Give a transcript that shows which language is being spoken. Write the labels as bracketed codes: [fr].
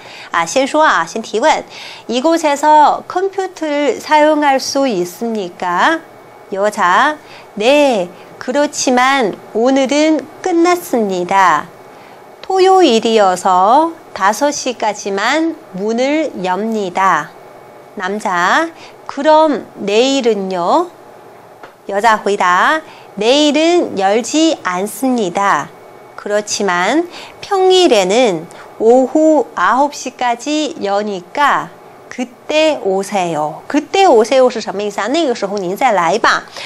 [zh] 好,再说一遍,男的先回答,先说啊,先提问, [ko] 이곳에서 컴퓨터를 사용할 수 있습니까? 여자, 네, 그렇지만 오늘은 끝났습니다. 토요일이어서 5시까지만 문을 엽니다. 남자, 그럼 내일은요? 여자 回答, 내일은 열지 않습니다. 그렇지만 평일에는 오후 9시까지 여니까 그때 오세요. 그때 오세요 [zh] 是什么意思啊?那个时候您再来吧。